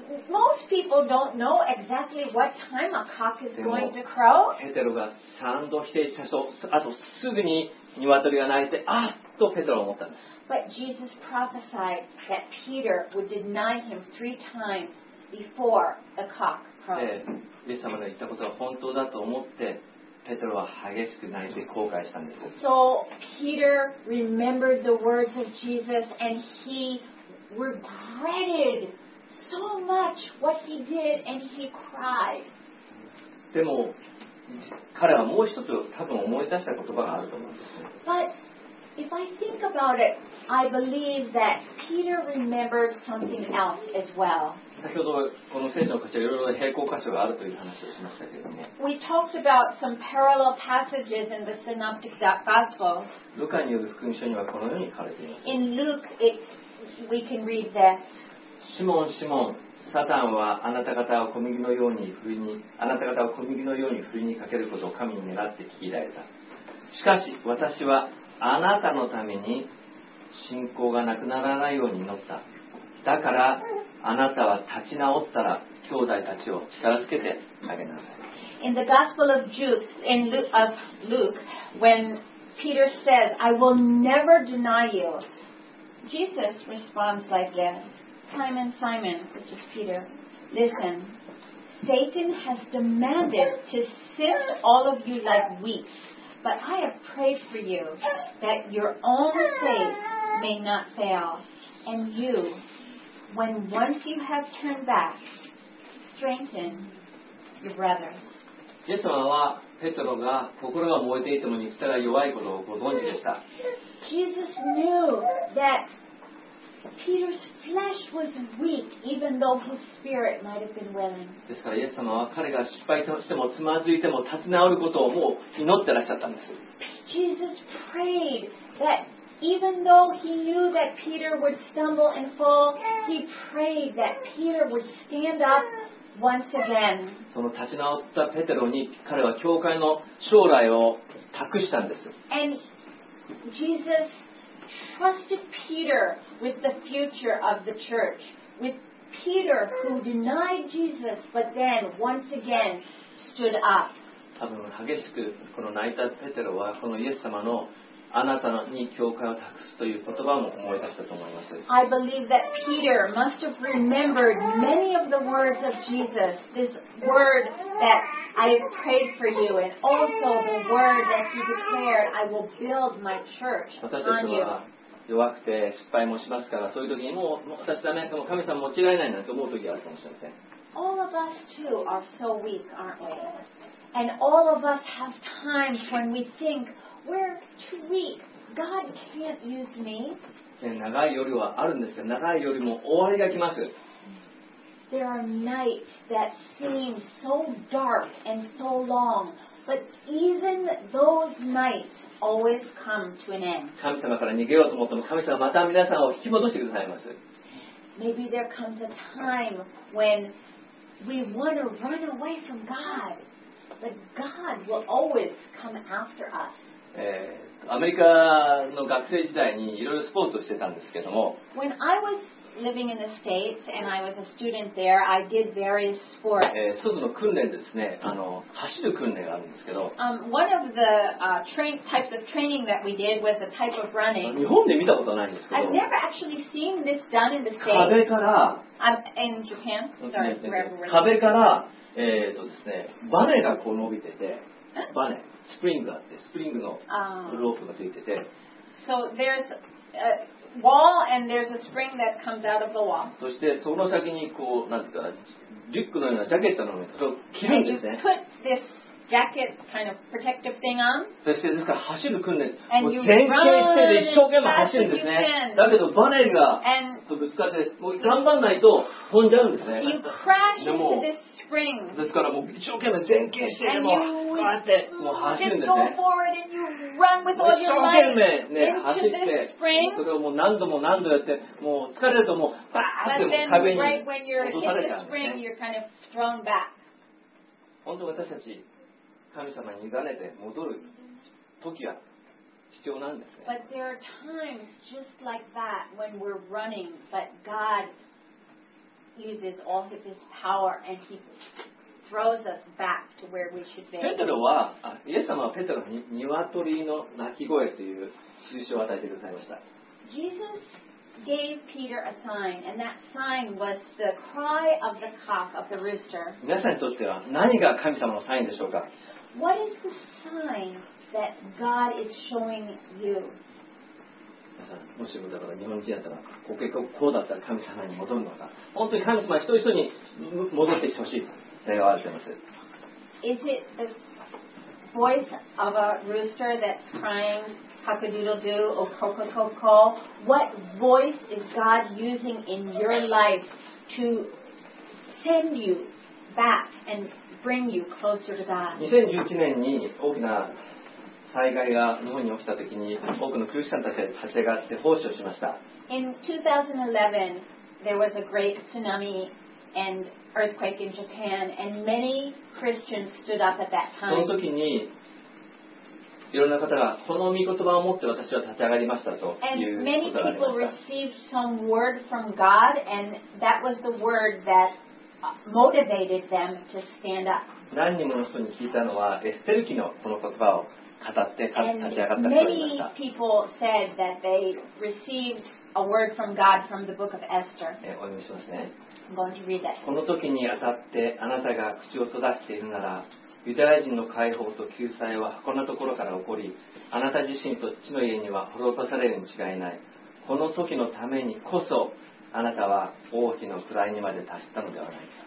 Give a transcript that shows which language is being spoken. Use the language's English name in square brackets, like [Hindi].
[English] Most people don't know exactly what time a cock is going to crow. [Japanese] ペテロが三度否定した人、あとすぐに鶏が鳴いて、あっとペテロは思ったんです。 [English] But Jesus prophesied that Peter would deny him three times before the cock crowed. [Japanese] イエス様が言ったことは本当だと思って、ペトロは激しく泣いて後悔したんです。 [English] So Peter remembered the words of Jesus and he regretted so much what he did and he cried. [Japanese] でも彼はもう一つ多分思い出した言葉があると思うんです。 [English] But if I think about it, I believe that Peter remembered something else as well. [Japanese] 先ほどこの聖書の箇所いろいろ平行箇所があるという話をしましたけれども [English] We talked about some parallel passages in the Synoptic Gospel. [Japanese] ルカによる福音書にはこのように書かれています [English] In Luke, it, we can read this. [Japanese] シモン、シモン、サタンはあなた方を小麦のように振りにあなた方を小麦のように振りにかけることを神に願って聞いられた。しかし私はあなたのために信仰がなくならないように祈った。だからあなたは立ち直ったら兄弟たちを力づけてあげなさい。 [English] In the Gospel of Luke, when Peter says, I will never deny you, Jesus responds like this, Simon, Simon, which is Peter, listen, Satan has demanded to sift all of you like wheat, but I have prayed for you that your own faith may not fail, and you,When once you have turned back, strengthen your brothers. [Japanese] イエス様はペトロが心が燃えていても肉体が弱いことをご存知でした。 [English] Jesus knew that Peter's flesh was weak, even though his spirit might have been willing. [Japanese] ですからイエス様は彼が失敗してもつまずいても立ち直ることをもう祈ってらっしゃったんです。 [English] Jesus prayed that. Even though he knew that Peter would stumble and fall, he prayed that Peter would stand up once again. [Japanese] その立ち直ったペテロに彼は教会の将来を託したんです。 [English] And Jesus trusted Peter with the future of the church, with Peter who denied Jesus but then once again stood up. [Japanese] 多分激しくこの泣いたペテロはこのイエス様のあなたに教会を託すという言葉も思い出したと思います。 [English] I believe that Peter must have remembered many of the words of Jesus. This word that I have prayed for you and also the word that he declared, I will build my church on you. [Japanese] 私たちは弱くて失敗もしますから、そういう時にもう私ダメ、でも神様も間違いないなと思う時があるかもしれません。 [English] All of us too are so weak, aren't we? And all of us have times when we think,We're too weak. God can't use me. [Japanese] 長い夜はあるんですが、長い夜も終わりが来ます。 [English] There are nights that seem so dark and so long, but even those nights always come to an end. [Japanese] 神様から逃げようと思っても、神様また皆さんを引き戻してくださいます。 [English] Maybe there comes a time when we want to run away from God, but God will always come after us. [Japanese] アメリカの学生時代にいろいろスポーツをしてたんですけども [English] When I was living in the States and I was a student there, I did various sports. [Japanese] 一つの訓練ですね、走る訓練があるんですけど [English] One of the types of training that we did was a type of running. [Japanese] 日本で見たことないんですけど [English] I've never actually seen this done in the States. [Japanese] 壁から [English] In Japan? Sorry, [Japanese] 壁から、ですね、バネがこう伸びてて、バネ。スプリングがあって、スプリングのロープがついてて、 [English] So there's a wall and there's a spring that comes out of the wall. [Japanese] そしてその先にこうなんていうか、リュックのようなジャケットのようなそう着るんですね。 [English] And you put this jacket kind of protective thing on. [Japanese] そしてですから走る訓練、 [English] And、 [Japanese] もう前傾姿勢で一生懸命走るんですね。だけどバネがとぶつかって、もう頑張んないと飛んじゃうんですね。 [English] You crash into this. [Japanese] ですからもう一生懸命前傾してもうこうやってもう走るんですね。生懸命ね走ってそれをもう何度も何度やってもう疲れるともうバーッて壁に落とされちゃう。本当私たち神様に委ねて戻る時は必要なんですね。 [English] But there are times just like that when we're running, but God. Uses all of his power and he throws us back to where we should be. [Japanese] ペテロは、イエス様はペテロに鶏の鳴き声という印を与えてくださいました。 [English] Jesus gave Peter a sign, and that sign was the cry of the cock of the rooster. [Japanese] 皆さんにとっては何が神様のサインでしょうか? [English] What is the sign that God is showing you? [Japanese] 皆さん、もしもだから日本人だったら、こう結構こうだったら神様に戻るのか。本当に神様一人一人に戻ってきてほしいと願われています。 [English] Is it the voice of a rooster that's crying? Cock-a-doodle-doo or co-co-co-co. What voice is God using in your life to send you back and bring you closer to God? [Japanese] 2011年に大きな災害が日本に起きた時に多くのクリスチャンたちが立ち上がって奉仕をしました。 [English] In 2011, there was a great tsunami and earthquake in Japan, and many Christians stood up at that time. [Japanese] その時にいろんな方がこの御言葉を持って私は立ち上がりましたということがありました。 [English] And many people received some word from God, and that was the word that motivated them to stand up. [Japanese] 何人もの人に聞いたのはエステル記のこの言葉を語って立ち上がった人がいました。 [English] And many people said that they received a word from God from the book of Esther. [Japanese] お読みしますね。 [English] I'm going to read it. [Japanese] この時にあたってあなたが口を閉ざしているならユダヤ人の解放と救済はこんなところから起こり、あなた自身と父の家には滅ぼされるに違いない。この時のためにこそ、あなたは王妃の位にまで達したのではないか。